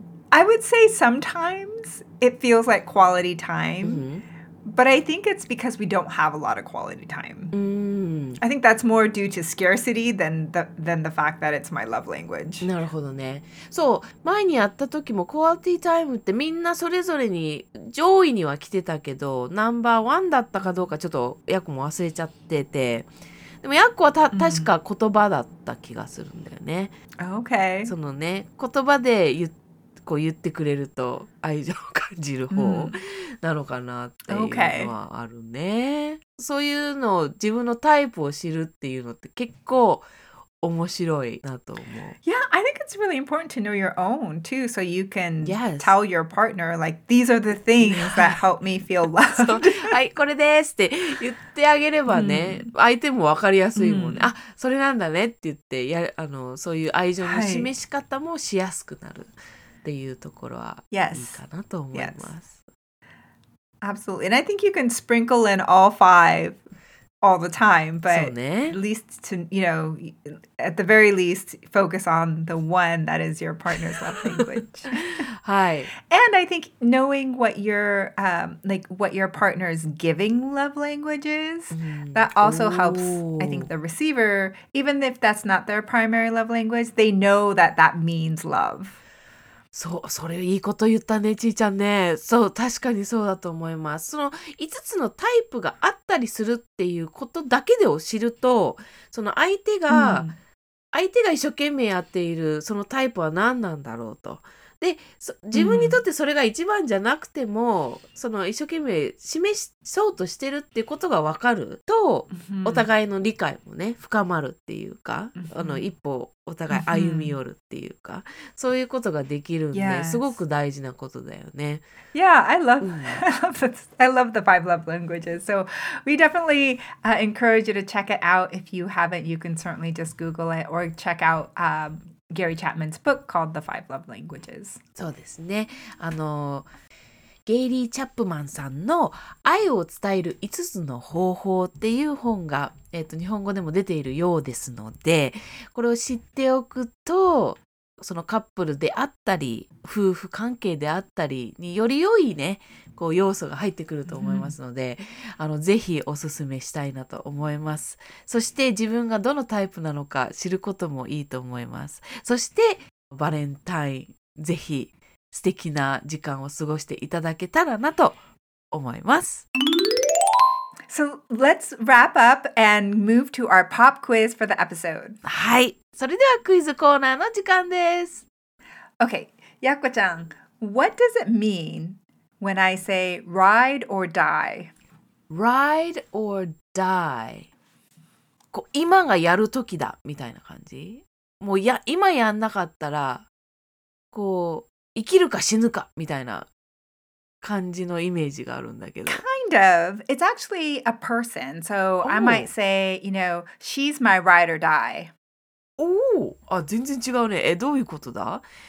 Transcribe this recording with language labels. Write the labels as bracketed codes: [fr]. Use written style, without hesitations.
[en] I would say sometimes it feels like quality time,、 mm-hmm. but I think it's because we don't have a lot of quality time.、 Mm. I think that's more due to scarcity than the fact that it's my love language. [ja] なるほどね。そう、前に会った時もクオリティタイムってみんなそれぞれに上位には来てたけど、ナンバーワンだったかどうかちょっとヤクも忘れちゃってて、でもヤッコはた確か言葉だった気がするんだよね。 [en] OK、 [ja] うん。そのね、言葉で言ってくれると愛情を感じる方なのかなっていうのはあるね。 [en] Okay. [ja] そういうのを自分のタイプを知るっていうのって結構面白いなと思う。 [en] Yeah, I think it's really important to know your own too, so you can、yes. tell your partner, like, these are the things that help me feel loved. [ja] はい、これですって言ってあげればね、mm. 相手も分かりやすいもんね。 Mm. あ、それなんだねって言って、や、あの、そういう愛情の示し方もしやすくなるっていうところはいいかなと思います。 [en] Yes. Absolutely. And I think you can sprinkle in all five. All the time, but、 [ja] ね、 [en] at least to, you know, at the very least, focus on the one that is your partner's love language. [ja] はい。 [en] And I think knowing what your,、like, what your partner's giving love language is,、 [ja] うん、 [en] that also helps, I think, the receiver, even if that's not their primary love language, they know that that means love. [ja] そう、それいいこと言ったね、ちーちゃんね。そう、確かにそうだと思います。その5つのタイプがあったりするっていうことだけでを知ると、その相手が、うん、相手が一生懸命やっているそのタイプは何なんだろうと。で、自分にとってそれが一番じゃなくても、うん、その一生懸命示しそうとしてるっていうことが分かると、うん、お互いの理解もね、深まるっていうか、うん、あの一歩お互い歩み寄るっていうか、うん、そういうことができるんで、yes. すごく大事なことだよね。 [en] Yeah, I love the five love languages. So we definitely、encourage you to check it out. If you haven't, you can certainly just Google it or check out、Gary Chapman's book called The Five Love Languages. [ja] そうですね。あの、ゲイリー・チャップマンさんの愛を伝える5つの方法っていう本が、日本語でも出ているようですので、これを知っておくと、そのカップルであったり、夫婦関係であったりにより良いね、こう要素が入ってくると思いますので、mm-hmm. あの、ぜひおすすめしたいなと思います。そして自分がどのタイプなのか知ることもいいと思います。そしてバレンタイン、ぜひ素敵な時間を過ごしていただけたらなと思います。 [en] So let's wrap up and move to our pop quiz for the episode. [ja] はい。それではクイズコーナーの時間です。 [en] Okay, Yakko-chan, what does it mean when I say ride or die? Ride or die. [ja] こう今がやる時だみたいな感じ。もうや今やんなかったらこう生きるか死ぬかみたいな感じのイメージがあるんだけど。 [en] Kind of. It's actually a person. So、oh. I might say, you know, she's my ride or die. [ja] おお、あ、全然違うね。え、どういうことだ？